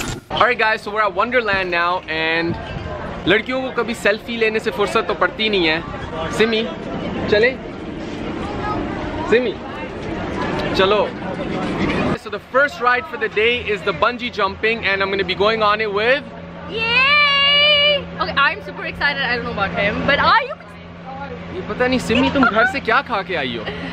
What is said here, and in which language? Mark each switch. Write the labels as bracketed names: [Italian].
[English] All right guys, so we're at Wonderland now and [Hindi] लड़कियों को कभी selfie लेने से फ़ुरसत तो पड़ती नहीं है. सिमी, चलें. सिमी, चलो. [English] So the first ride for the day is the bungee jumping and I'm going to be going on it with Yay! Okay, I'm super excited. I don't know about him, but are you? [Hindi] ये पता नहीं सिमी तुम घर से क्या खा के आई हो?